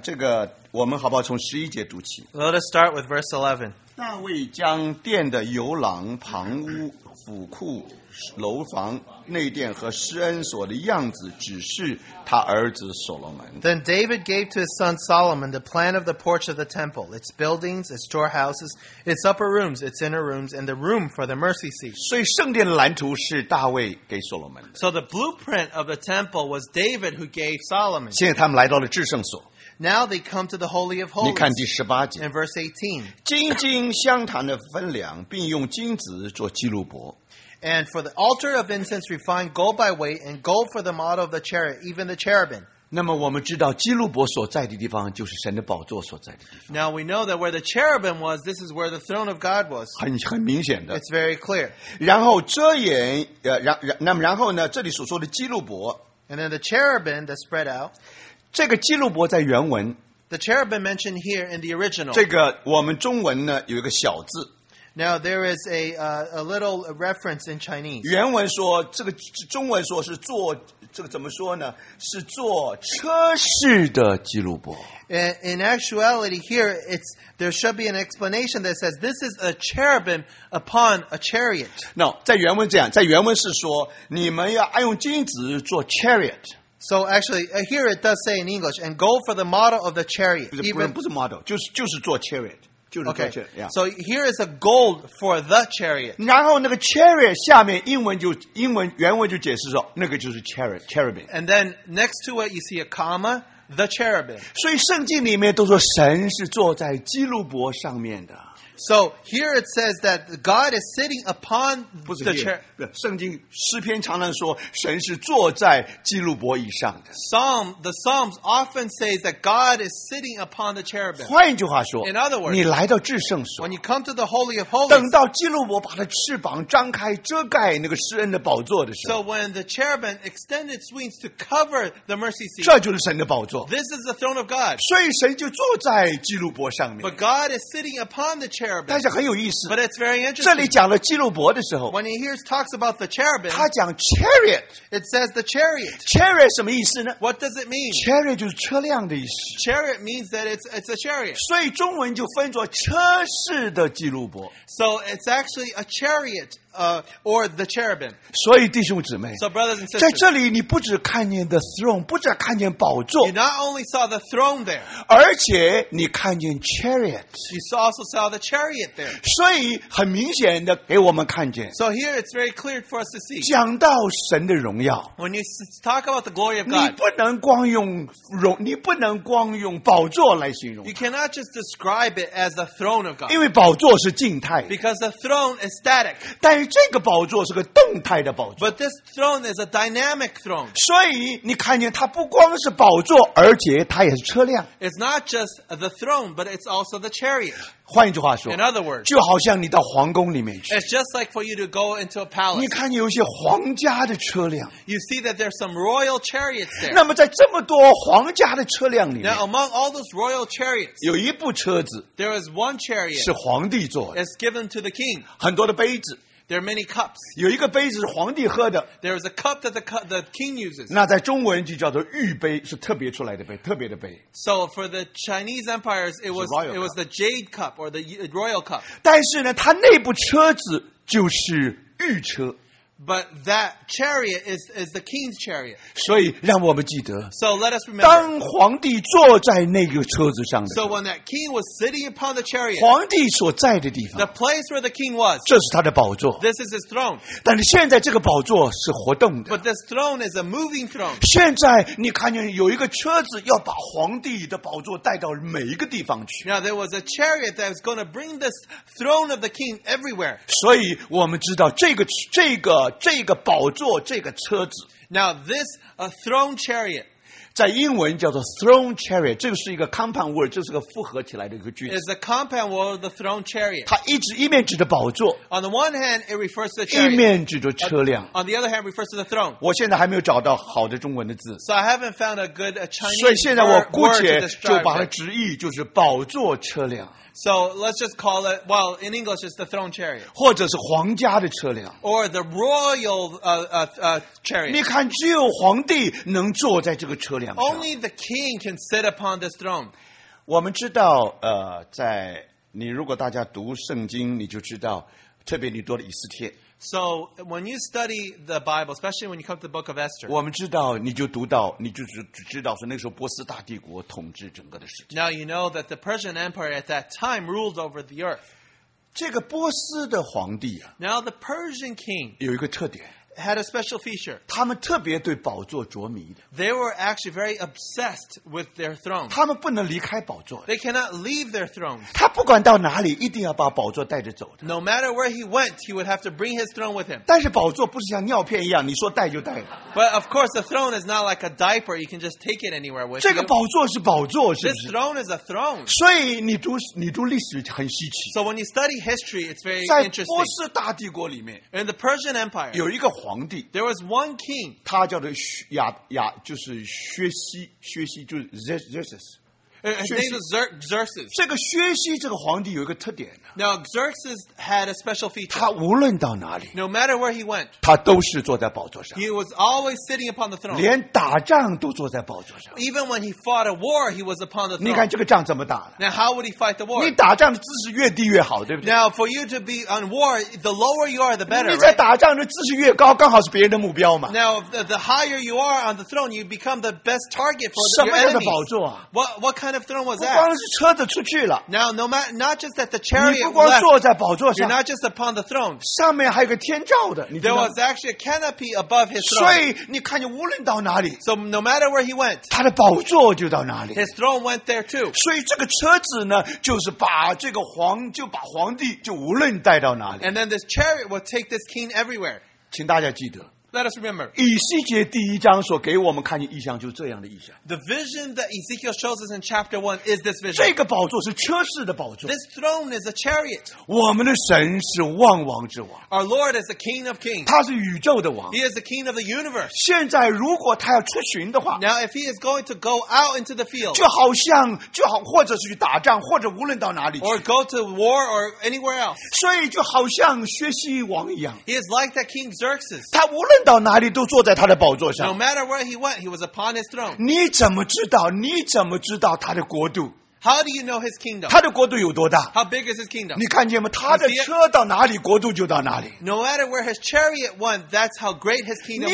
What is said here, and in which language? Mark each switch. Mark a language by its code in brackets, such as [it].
[zh] 这个我们好不好从十一节读起 [en] ？Let us start with verse 11. [zh] 大卫将殿的游廊、旁屋、府库、楼房、内殿和施恩所的样子指示他儿子所罗门。 [en] Then David gave to his son Solomon the plan of the porch of the temple, its buildings, its storehouses, its upper rooms, its inner rooms, and the room for the mercy seat. [zh] 所以圣殿的蓝图是大卫给所罗门。 [en] So the blueprint of the temple was David who gave Solomon. [zh] 现在他们来到了至圣所。 [en] Now they come to the Holy of Holies. [zh] 你看第十八节。 [en] In verse 18. [zh] 金金香坛的分量，并用金子做基路伯。 [en] And for the altar of incense, refined gold by weight, and gold for the model of the chariot, even the cherubim. [zh] 那么我们知道基路伯所在的地方就是神的宝座所在的地方。 [en] Now we know that where the cherubim was, this is where the throne of God was. [zh] 很明显的。 [en] It's very clear. [zh] 然后遮掩，那么然后呢？这里所说的基路伯。 [en] And then the cherubim that spread out. [zh] 这个基路伯在原文。 [en] The cherubim mentioned here in the original. [zh] 这个我们中文呢有一个小字。 [en] Now there is a little reference in Chinese. [zh] 原文说这个中文说是做这个怎么说呢？是做车室的基路伯。 [en] In actuality, here it's there should be an explanation that says this is a cherubim upon a chariot. [zh] No, 在原文这样，在原文是说你们要按用金子做 chariot。 [en] So actually, here it does say in English and gold for the model of the chariot. [zh] 不是 model， 就是做 chariot。 [en] Okay, so here is a gold for the chariot. [zh] 然后那个 chariot 下面英文原文就解释说那个就是 cherubim. [en] And then next to it you see a comma, the cherubim. [zh] 所以圣经里面都说神是坐在基路伯上面的。 [en] So here it says that God is sitting upon the chair. [zh] 圣经诗篇常常说神是坐在基路伯以上的。 [en] The Psalms often say that God is sitting upon the cherubim. [zh] 换一句话说 [en] ，In other words, [zh] 你来到至圣所 [en] ，When you come to the Holy of Holies, [zh] 等到基路伯把他翅膀张开遮盖那个施恩的宝座的时候 [en] ，So when the cherubim extended wings to cover the mercy seat, [zh] 这就是神的宝座。 [en] This is the throne of God. [zh] 所以神就坐在基路伯上面。 [en] But God is sitting upon the cherubim. cherubim. [zh] 但是很有意思。 [en] But it's very interesting. [zh] 这里讲了基路伯的时候。 [en] When he hears talks about the cherubim. [zh] 他讲 chariot. [en] It says the chariot. [zh] Chariot 什么意思呢？ [en] What does it mean? [zh] Chariot 就是车辆的意思。 [en] Chariot means that it's a chariot. [zh] 所以中文就分作车式的基路伯。 [en] So it's actually a chariot. Or the cherubim. [zh] 所以弟兄姊妹。 [en] So brothers and sisters. [zh] 在这里你不只看见 [en] the throne, [zh] 不只看见宝座。 [en] You not only saw the throne there. [zh] 而且你看见 chariot. [en] You also saw the chariot there. [zh] 所以很明显的给我们看见。 [en] So here it's very clear for us to see. [zh] 讲到神的荣耀。 [en] When you talk about the glory of God. [zh] 你不能光用宝座来形容。 [en] You cannot just describe it as the throne of God. [zh] 因为宝座是静态。 [en] Because the throne is static. [zh] 但这个宝座是个动态的宝座。 [en] But this throne is a dynamic throne. [zh] 所以你看见它不光是宝座，而且它也是车辆。 [en] It's not just the throne, but it's also the chariot. [zh] 换一句话说， [en] In other words, [zh] 就好像你到皇宫里面去。 [en] It's just like for you to go into a palace. [zh] 你看见有些皇家的车辆。 [en] You see that there's some royal chariots there. [zh] 那么在这么多皇家的车辆里面， [en] Now among all those royal chariots, [zh] 有一部车子， [en] There is one chariot. [zh] 是皇帝坐的。 [en] It's given to the king. [zh] 很多的杯子。 [en] There are many cups. [zh] 有一个杯子是皇帝喝的。 [en] There is a cup that the king uses. [zh] 那在中文就叫做御杯，是特别出来的杯，特别的杯。 [en] So for the Chinese empires, it was the jade cup or the royal cup. [zh] 但是呢，它内部车子就是御车。 [en] But that chariot is the king's chariot. [zh] 所以让我们记得。 [en] So let us remember. [zh] 当皇帝坐在那个车子上的时候。 [en] So when that king was sitting upon the chariot. [zh] 皇帝所在的地方。 [en] The place where the king was. [zh] 这是他的宝座。 [en] This is his throne. [zh] 但是现在这个宝座是活动的。 [en] But this throne is a moving throne. [zh] 现在你看见有一个车子要把皇帝的宝座带到每一个地方去。 [en] Now there was a chariot that was going to bring this throne of the king everywhere. [zh] 所以我们知道这个宝座，这个车子。 [en] Now this a throne chariot, [zh] 在英文叫做 throne chariot, 这个是一个 compound word, 这是个复合起来的一个句子。 [en] It's the compound word of the throne chariot. [zh] 它一面指着宝座。 [en] On the one hand, it refers to the [zh] chariot. 一面指着车辆。 [en] On the other hand, it refers to the throne. [zh] 我现在还没有找到好的中文的字。 [en] So I haven't found a good Chinese. [zh] 所以现在我姑且就把它直译，就是宝座车辆。 [en] So let's just call it, well, in English, it's the throne chariot. [zh] 或者是皇家的车辆。 [en] Or the royal chariot. [zh] 你看只有皇帝能坐在这个车辆上。 [en] Only the king can sit upon this throne. [zh] 我们知道在你如果大家读圣经你就知道特别你读了以斯帖。 [en] So when you study the Bible, especially when you come to the book of Esther, [zh] 我们知道你就读到，你就知道说那个时候波斯大帝国统治整个的世界。 [en] Now you know that the Persian Empire at that time ruled over the earth. [zh] 这个波斯的皇帝啊， [en] Now the Persian king [zh] 有一个特点， [en] had a special feature. [zh] 他们特别对宝座着迷的。 [en] They were actually very obsessed with their throne. [zh] 他们不能离开宝座。 [en] They cannot leave their throne. [zh] 他不管到哪里，一定要把宝座带着走的。 [en] No matter where he went, he would have to bring his throne with him. [zh] 但是宝座不是像尿片一样，你说带就带。 [en] But of course, the throne is not like a diaper. You can just take it anywhere with you. [zh] 这个宝座是宝座，是不是？ [en] This throne is a throne. [zh] 所以你读历史很稀奇。 [en] So when you study history, it's very interesting. [zh] 在波斯大帝国里面 [en] ，in the Persian Empire, [zh] 有一个皇帝 [en] ，There was one king， [zh] 他叫做亚，就是薛西，就是 Xerxes。 [en] Xerxes。 [zh] 这个薛西这个皇帝有一个特点呢。 [en] Now Xerxes had a special feature。 [zh] 他无论到哪里 [en] ，No matter where he went， [zh] 他都是坐在宝座上。 [en] He was always sitting upon the throne。 [zh] 连打仗都坐在宝座上。 [en] Even when he fought a war, he was upon the throne。 [zh] 你看这个仗怎么打了 [en] ？Now how would he fight the war？ [zh] 你打仗的姿势越低越好，对不对 [en] ？Now for you to be on war, the lower you are, the better。 [zh] 你在打仗的姿势越高，刚好是别人的目标嘛。 [en] Now the higher you are on the throne, you become the best target for the enemy。 [zh] 什么样的宝座啊 [en] ？What kind of throne was that？ [zh] 不光是车子出去了。 [en] Now no matter not just that the chariot。 [zh] 不光坐在宝座上 [en] ，You're not just upon the throne。 [zh] 上面还有个天罩的。 [en] There was actually a canopy above his throne。 [zh] 所以你看见无论到哪里 [en] ，So no matter where he went， [zh] 他的宝座就到哪里。 [en] His throne went there too。 [zh] 所以这个车子呢，就是把这个皇就把皇帝就无论带到哪里。 [en] And then this chariot will take this king everywhere。 [zh] 请大家记得。 [en] Let us remember. [zh] 以西结第一章所给我们看见异象就是这样的异象。 [en] The vision that Ezekiel shows us in chapter 1 is this vision. [zh] 这个宝座是车式的宝座。 [en] This throne is a chariot. [zh] 我们的神是万王之王。 [en] Our Lord is the King of Kings. [zh] 他是宇宙的王。 [en] He is the King of the universe. [zh] 现在如果他要出巡的话。 [en] Now if he is going to go out into the field. [zh] 就好像或者是去打仗或者无论到哪里去。 [en] Or go to war or anywhere else. [zh] 所以就好像薛西王一样。 [en] He is like that King Xerxes. [zh] 他无论到哪里都坐在他的宝座上。 [en] No matter where he went, he was upon his throne. [zh] 你怎么知道他的国度？ [en] How do you know his kingdom? [zh] 他的国度有多大? [en] How big is his kingdom? [zh] 你看见吗? 他的车到哪里,国度就到哪里。 [en] No matter where his chariot went, that's how great his kingdom was.